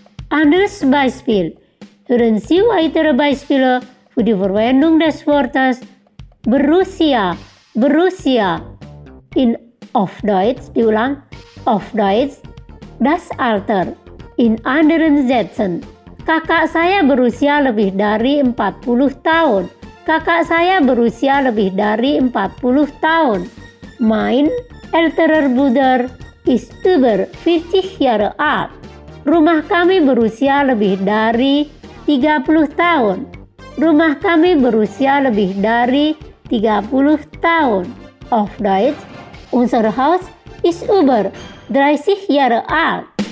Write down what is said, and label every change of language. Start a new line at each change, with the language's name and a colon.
German: Anderes Beispiel. Hören Sie weitere Beispiele für die Verwendung des Wortes Borussia, Borussia. In auf Deutsch, diulang, auf Deutsch, das Alter. In anderen Sätzen.
Indonesian: Kakak saya berusia lebih dari 40 tahun. Kakak saya berusia lebih dari 40 tahun.
German: Mein älterer Bruder ist über 50 Jahre alt.
Indonesian: Rumah kami berusia lebih dari 30 tahun. Rumah kami berusia lebih dari 30 tahun.
German: Auf Deutsch, unser Haus ist über 30 Jahre alt.